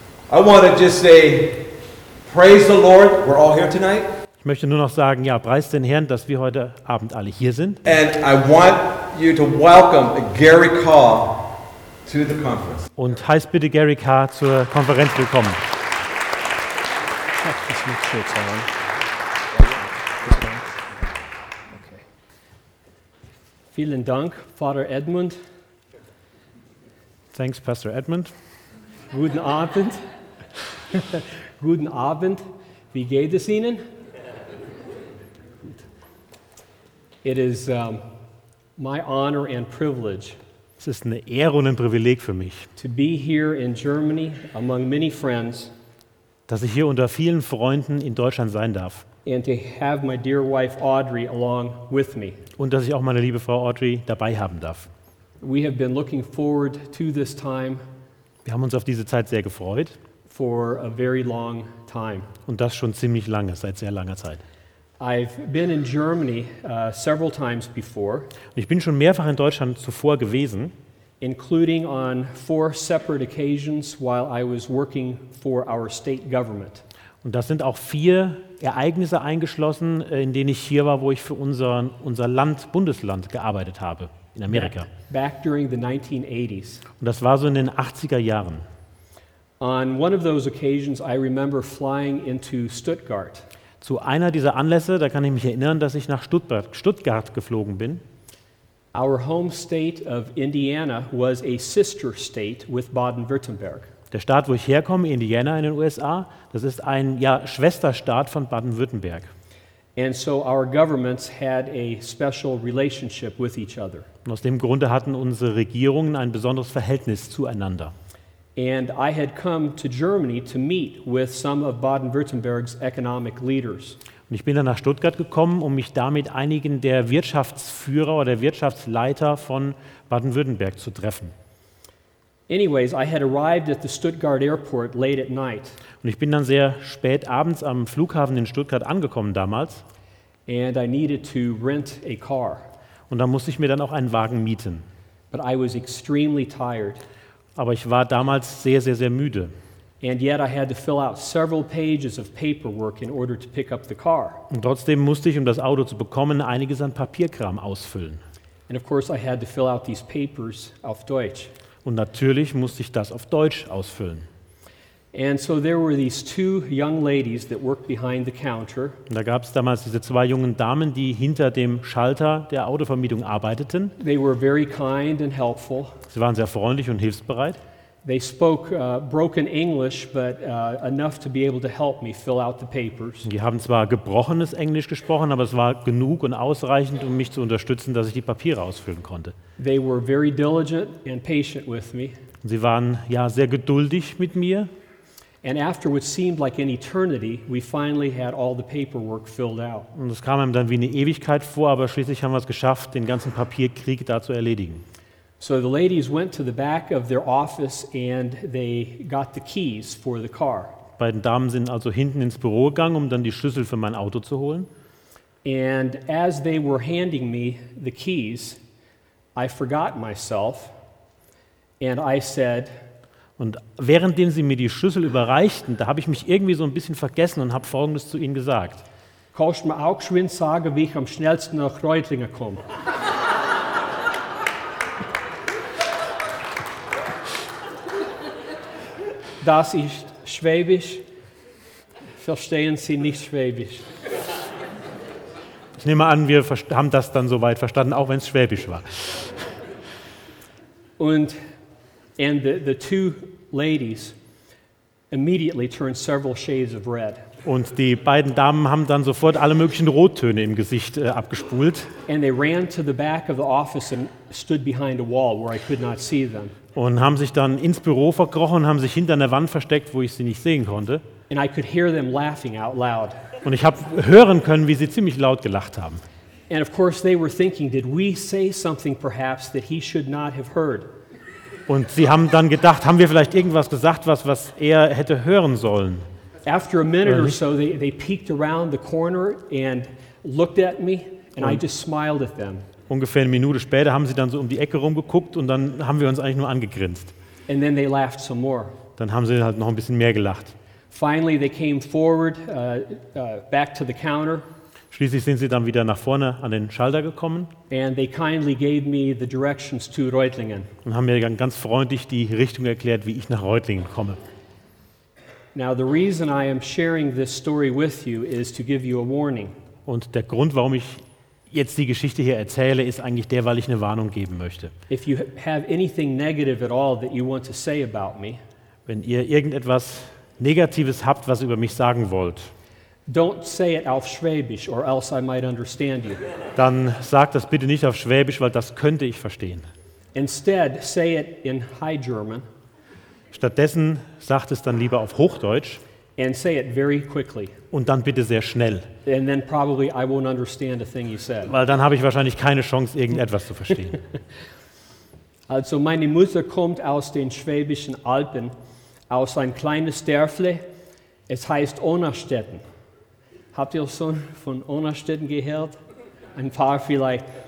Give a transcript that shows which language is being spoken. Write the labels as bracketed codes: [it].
[en] I want to just say, praise the Lord, we're all here tonight. [de] Ich möchte nur noch sagen, ja, preis den Herrn, dass wir heute Abend alle hier sind. [en] And I want you to welcome Gary Carr to the conference. [de] Und heißt bitte Gary Carr zur Konferenz willkommen. Vielen Dank, Father Edmund. [en] Thanks, Pastor Edmund. [de] Guten Abend. Guten Abend. Wie geht es Ihnen? [en] It is my honor and privilege. [de] Es ist eine Ehre und ein Privileg für mich. [en] To be here in Germany among many friends. [de] Dass ich hier unter vielen Freunden in Deutschland sein darf. [en] And to have my dear wife Audrey along with me. [de] Und dass ich auch meine liebe Frau Audrey dabei haben darf. [en] We have been looking forward to this time. [de] Wir haben uns auf diese Zeit sehr gefreut. [en] For a very long time. [de] Und das schon ziemlich lange, seit sehr langer Zeit. [en] I've been in Germany several times before. [de] Ich bin schon mehrfach in Deutschland zuvor gewesen. [en] Including on four separate occasions while I was working for our state government. [de] Und das sind auch vier Ereignisse eingeschlossen, in denen ich hier war, wo ich für unser Land, Bundesland gearbeitet habe in Amerika. [en] Back during the 1980s. [de] Und das war so in den 80er Jahren. [en] On one of those occasions I remember flying into Stuttgart. [de] Zu einer dieser Anlässe, da kann ich mich erinnern, dass ich nach Stuttgart geflogen bin. [en] Our home state of Indiana was a sister state with Baden-Württemberg. [de] Der Staat, wo ich herkomme, Indiana in den USA, das ist ein Schwesterstaat von Baden-Württemberg. [en] And so our governments had a special relationship with each other. [de] Und aus dem Grunde hatten unsere Regierungen ein besonderes Verhältnis zueinander. [en] And I had come to Germany to meet with some of Baden-Württemberg's economic leaders. [de] Und ich bin dann nach Stuttgart gekommen, um mich da mit einigen der Wirtschaftsführer oder der Wirtschaftsleiter von Baden-Württemberg zu treffen. [en] Anyways, I had arrived at the Stuttgart airport late at night. [de] Und ich bin dann sehr spät abends am Flughafen in Stuttgart angekommen damals. [en] And I needed to rent a car. [de] Und da musste ich mir dann auch einen Wagen mieten. [en] But I was extremely tired. [de] Aber ich war damals sehr, sehr, sehr müde. [en] And yet I had to fill out several pages of paperwork in order to pick up the car. [de] Und trotzdem musste ich, um das Auto zu bekommen, einiges an Papierkram ausfüllen. [en] And of course I had to fill out these papers [de] auf Deutsch. Und natürlich musste ich das auf Deutsch ausfüllen. [en] And so there were these two young ladies that worked behind the counter. [de] Und da gab es damals diese zwei jungen Damen, die hinter dem Schalter der Autovermietung arbeiteten. [en] They were very kind and helpful. [de] Sie waren sehr freundlich und hilfsbereit. [en] They spoke broken English, but enough to be able to help me fill out the papers. [de] Die haben zwar gebrochenes Englisch gesprochen, aber es war genug und ausreichend, um mich zu unterstützen, dass ich die Papiere ausfüllen konnte. [en] They were very diligent and patient with me. [de] Sie waren ja sehr geduldig mit mir. [en] And after what seemed like an eternity, we finally had all the paperwork filled out. [de] Und es kam einem dann wie eine Ewigkeit vor, aber schließlich haben wir es geschafft, den ganzen Papierkrieg da zu erledigen. [en] So the ladies went to the back of their office and they got the keys for the car. [de] Beiden Damen sind also hinten ins Büro gegangen, um dann die Schlüssel für mein Auto zu holen. [en] And as they were handing me the keys, I forgot myself and I said, [de] und währenddem sie mir die Schlüssel überreichten, da habe ich mich irgendwie so ein bisschen vergessen und habe Folgendes zu ihnen gesagt. Kannst du mir auch geschwind sagen, wie ich am schnellsten nach Reutlingen komme? Das ist Schwäbisch. Verstehen Sie nicht Schwäbisch? Ich nehme an, wir haben das dann soweit verstanden, auch wenn es Schwäbisch war. [en] And the two ladies immediately turned several shades of red. [de] Und die beiden Damen haben dann sofort alle möglichen Rottöne im Gesicht abgespult. [en] And they ran to the back of the office and stood behind a wall where I could not see them. [de] Und haben sich dann ins Büro verkrochen, haben sich hinter einer Wand versteckt, wo ich sie nicht sehen konnte. [en] And I could hear them laughing out loud. [de] Und ich habe hören können, wie sie ziemlich laut gelacht haben. [en] And of course they were thinking, did we say something perhaps that he should not have heard? [de] Und sie haben dann gedacht, haben wir vielleicht irgendwas gesagt, was er hätte hören sollen? [en] After a minute or so, they peeked around the corner and looked at me, and I just smiled at them. [de] Ungefähr eine Minute später haben sie dann so um die Ecke rumgeguckt und dann haben wir uns eigentlich nur angegrinst. [en] And then they laughed some more. [de] dann haben sie halt noch ein bisschen mehr gelacht. [en] Finally they came forward back to the counter. [de] Schließlich sind sie dann wieder nach vorne an den Schalter gekommen. [en] And they kindly gave me the directions to Reutlingen. [de] Und haben mir dann ganz freundlich die Richtung erklärt, wie ich nach Reutlingen komme. [en] Now the reason I am sharing this story with you is to give you a warning. [de] Und der Grund, warum ich jetzt die Geschichte hier erzähle, ist eigentlich der, weil ich eine Warnung geben möchte. [en] If you have anything negative at all that you want to say about me, [de] wenn ihr irgendetwas Negatives habt, was ihr über mich sagen wollt, [en] don't say it [de] auf Schwäbisch, [en] or else I might understand you. [de] Dann sagt das bitte nicht auf Schwäbisch, weil das könnte ich verstehen. [en] Instead, say it in High German. [de] Stattdessen sagt es dann lieber auf Hochdeutsch. [en] And say it very quickly. [de] Und dann bitte sehr schnell. [en] And then probably I won't understand a thing you said. [de] Weil dann habe ich wahrscheinlich keine Chance, irgendetwas zu verstehen. Also meine Mutter kommt aus den Schwäbischen Alpen, aus ein kleines Dörfle. Es heißt Onnerstetten. Habt ihr schon von Onnerstetten gehört? Ein paar vielleicht.